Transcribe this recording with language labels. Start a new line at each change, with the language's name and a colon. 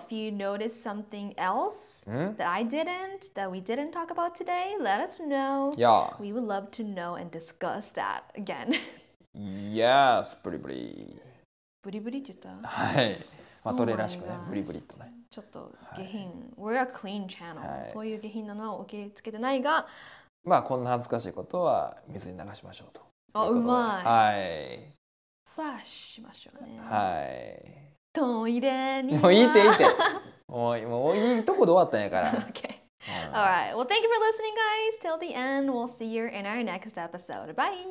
English: If you noticed something else that I didn't, that we didn't talk about today, let us know. Yeah. We would love to know and discuss that again. Yes, ブリブリ。
Japanese: ブリブリって言った？はい。まあ、トレらしくね、ブリブリっとね。ちょっと下品。はい、
English: We're a clean channel.、
Japanese: はい、そういう下品なのはお受け付けてないが。まあ、こんな恥ずかしいことは水に流しましょうと。あ、うまい。はい。フラッシュしましょうね。はい。トイレに。もういいっていいって。もういいとこで終わったんやから。
English: Okay. All right. Well, thank you for listening, guys. Till the end, we'll see you in our next episode. Bye.